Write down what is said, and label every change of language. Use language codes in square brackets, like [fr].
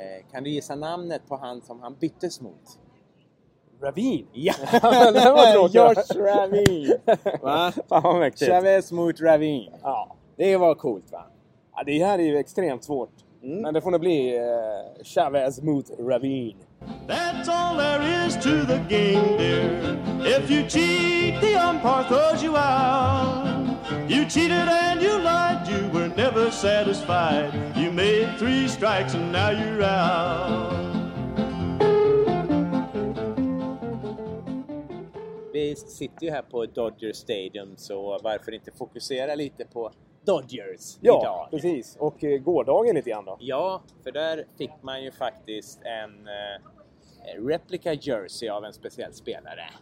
[sv] Kan du gissa namnet på han som han byttes mot? Ravine. Ja, det var tråkigt. George Ravine. Va? Fan, vad Chavez mot Ravine. Ja, det var coolt, va? Ja, det här är ju extremt svårt. Mm. Men det får nog bli Chavez mot Ravine. [en] That's all there is to the game, dear. If you cheat, the umpire throws you out. You cheated and you lied, you were never satisfied. You made three strikes and now you're out. [sv] Vi sitter ju här på Dodger Stadium, så varför inte fokusera lite på Dodgers ja, idag? Ja, precis. Och gårdagen lite grann då? Ja, för där fick man ju faktiskt en... replica jersey av en speciell spelare.